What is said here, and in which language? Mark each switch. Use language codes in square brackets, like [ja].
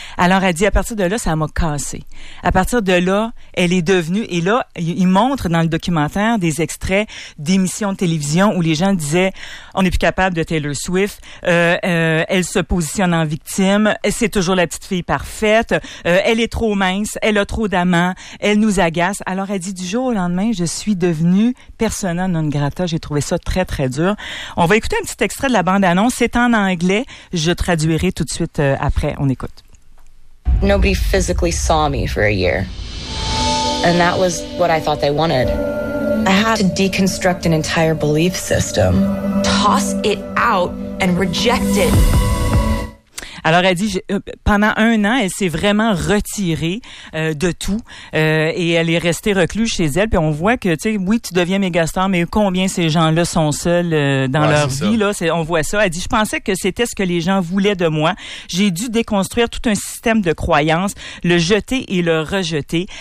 [fr] Alors elle dit, à partir de là, ça m'a cassé. À partir de là, elle est devenue, et là, il montre dans le documentaire des extraits d'émissions de télévision où les gens disaient, on n'est plus capable de Taylor Swift, elle se positionne en victime, c'est toujours la petite fille parfaite, elle est trop mince, elle a trop d'amants, elle nous agace. Alors elle dit, du jour au lendemain, je suis devenue persona non grata. J'ai trouvé ça très, très dur. On va écouter un petit extrait de la bande annonce. C'est en anglais. Je traduirai tout de suite après. On écoute. [en] Nobody physically saw me for a year. And that was what I thought they wanted. I had to deconstruct an entire belief system. Toss it out and reject it. [fr] Alors, elle dit, pendant un an, elle s'est vraiment retirée de tout. Et elle est restée recluse chez elle. Puis on voit que, tu sais, oui, tu deviens mégastar, mais combien ces gens-là sont seuls dans leur vie. Ça. Là, on voit ça. Elle dit, je pensais que c'était ce que les gens voulaient de moi. J'ai dû déconstruire tout un système de croyances, le jeter et le rejeter.